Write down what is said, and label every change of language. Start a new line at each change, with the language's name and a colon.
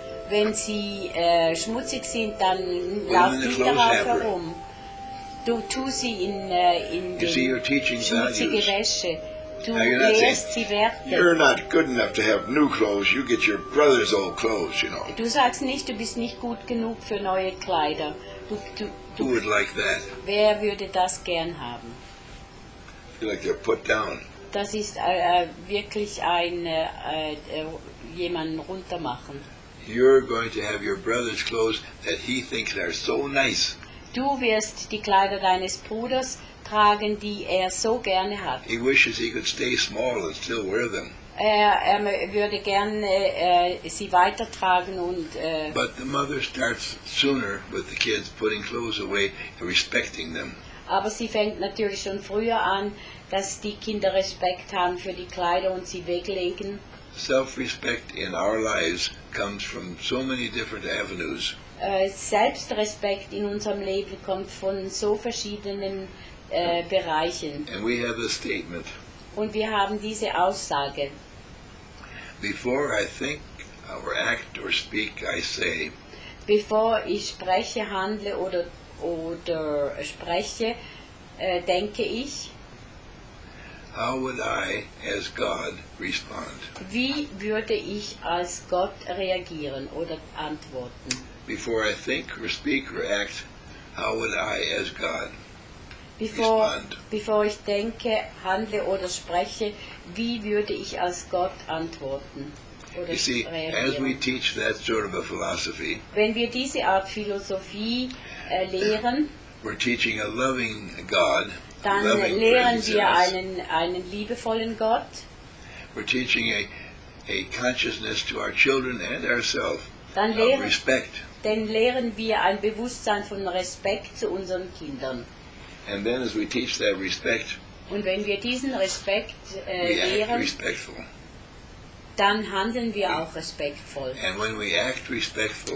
German: Wenn sie schmutzig sind, dann lauf nicht darauf herum. Du tust sie in die schmutzige Wäsche.
English: You're not good enough to have new clothes. You get your brother's old clothes, you know.
German: Du sagst nicht, du bist nicht gut genug für neue Kleider.
English: Who would like that?
German: Wer würde das gern haben?
English: I feel like they're put down.
German: Das ist wirklich ein jemanden runtermachen.
English: You're going to have your brother's clothes that he thinks are so nice.
German: Du wirst die Kleider deines Bruders tragen, die er so gerne hat.
English: He wishes he could stay small and still wear them.
German: Er würde gerne sie weitertragen und.
English: But the mother starts sooner with the kids putting clothes away and respecting them.
German: Aber sie fängt natürlich schon früher an, dass die Kinder Respekt haben für die Kleider und sie weglegen.
English: Self-respect in our lives comes from so many different avenues.
German: Selbstrespekt in unserem Leben kommt von so verschiedenen Bereichen.
English: And we have a statement.
German: Und wir haben diese Aussage.
English: Before I think or act or speak, I say.
German: Bevor ich spreche, handle oder spreche, denke ich.
English: How would I, as God, respond?
German: Wie würde ich als Gott reagieren oder antworten?
English: Before I think or speak or act, how would I, as God, respond?
German: Bevor ich denke, handle oder spreche, wie würde ich als Gott antworten oder reagieren?
English: You see, as we teach that sort of a philosophy,
German: wenn wir diese Art Philosophie lehren,
English: we're teaching a loving God.
German: Dann lehren wir einen liebevollen Gott.
English: We're teaching a consciousness to our children and ourselves.
German: Dann
English: respect.
German: Dann lehren wir ein Bewusstsein von Respekt zu unseren Kindern.
English: And then as we teach that respect,
German: und wenn wir diesen Respekt lehren,
English: respectful.
German: Dann handeln wir auch respektvoll.
English: And when we act respectful,